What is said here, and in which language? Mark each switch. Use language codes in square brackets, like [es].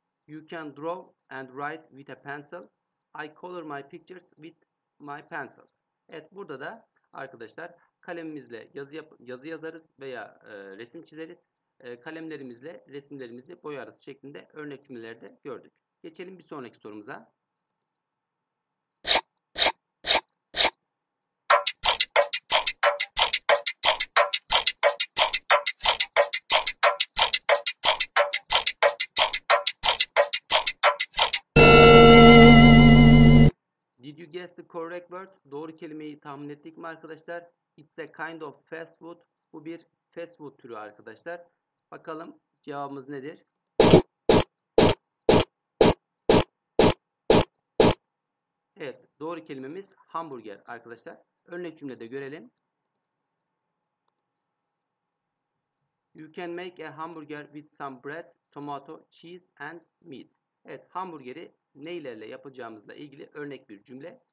[en] You can draw and write with a pencil. I color my pictures with my pencils. [tr] Evet, burada da arkadaşlar kalemimizle yazı yazarız veya resim çizeriz. Kalemlerimizle resimlerimizi boyarız şeklinde örnek cümleleri de gördük. Geçelim bir sonraki sorumuza. [en] Did you guess the correct word? [tr] Doğru kelimeyi tahmin ettik mi arkadaşlar? [en] It's a kind of fast food. [tr] Bu bir fast food türü arkadaşlar. Bakalım cevabımız nedir? Evet, doğru kelimemiz hamburger arkadaşlar. Örnek cümlede görelim. [en] You can make a hamburger with some bread, tomato, cheese and meat. [tr] Evet, hamburgeri neylerle yapacağımızla ilgili örnek bir cümle.